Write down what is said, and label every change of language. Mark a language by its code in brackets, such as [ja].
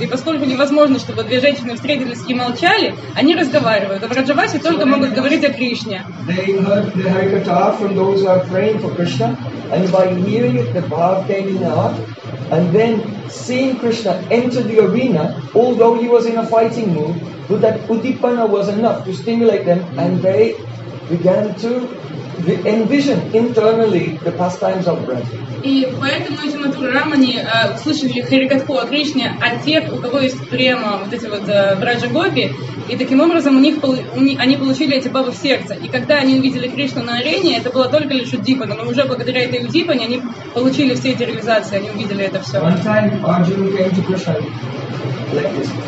[ru] И поскольку невозможно, чтобы две женщины встретились и молчали, они разговаривают. А в Раджавасе только могут говорить о Кришне. [en] And by hearing it, the bhav came in the heart. And then seeing Krishna enter the arena, although he was in a fighting mood, but that udipana was enough to stimulate them, and they began to envision internally the pastimes of Braj. [ru] И поэтому эти матурамани услышали харикатху о Кришне от тех, у кого есть према, вот эти вот браджа-гопи, и таким образом они получили эти бабы в сердце. И когда они увидели Кришну на арене, это было только лишь удипана, но уже благодаря этой удипане они получили все эти реализации, они увидели это все. [en] One time Arjuna came to Krishna like this.